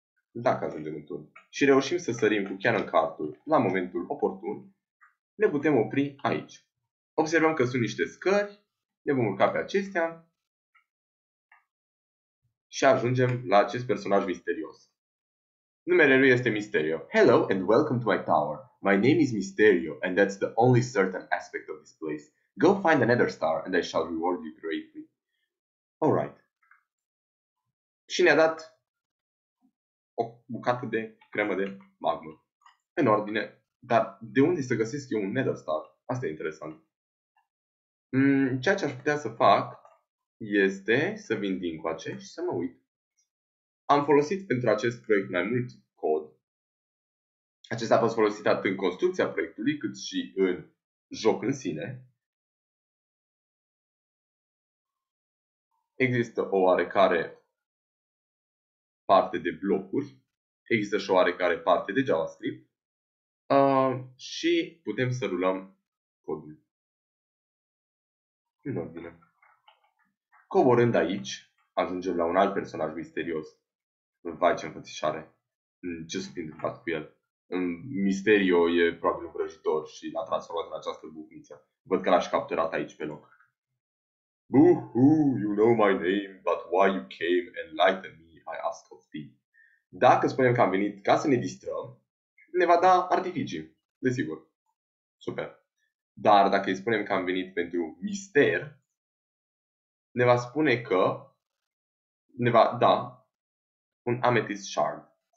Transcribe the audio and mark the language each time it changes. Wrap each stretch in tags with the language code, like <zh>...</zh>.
<ro>Dacă ajungem în turn și reușim să sărim cu Cannon Cartul la momentul oportun, ne putem opri aici. Observăm că sunt niște scări, ne vom urca pe acestea și ajungem la acest personaj misterios. Numele lui este Mysterio.</ro> <en>Hello and welcome to my tower. My name is Mysterio and that's the only certain aspect of this place. Go find the Nether Star and I shall reward you greatly. Alright.</en> <ro>Și ne-a dat o bucată de cremă de magmă. În ordine. Dar de unde să găsesc eu un Nether Star? Asta e interesant. Ceea ce aș putea să fac este să vin din coace și să mă uit. Am folosit pentru acest proiect mai mult cod. Acesta a fost folosit atât în construcția proiectului, cât și în joc în sine. Există o oarecare parte de blocuri. Există și o oarecare parte de JavaScript. Și putem să rulăm codul. Nu, bine. Coborând aici, ajungem la un alt personaj misterios. Vai ce înfățișare! Ce sunt întâmplat cu el? Misterio e probabil vrăjitor și l-a transformat în această bufniță. Văd că l-aș capturat aici pe loc.</ro> <en>Boo-hoo, you know my name, but why you came, enlighten me, I ask of thee.</en> <ro>Dacă spunem că am venit ca să ne distrăm, ne va da artificii, desigur. Super. Dar dacă îi spunem că am venit pentru mister, ne va spune că ne va da un amethyst shard.</ro>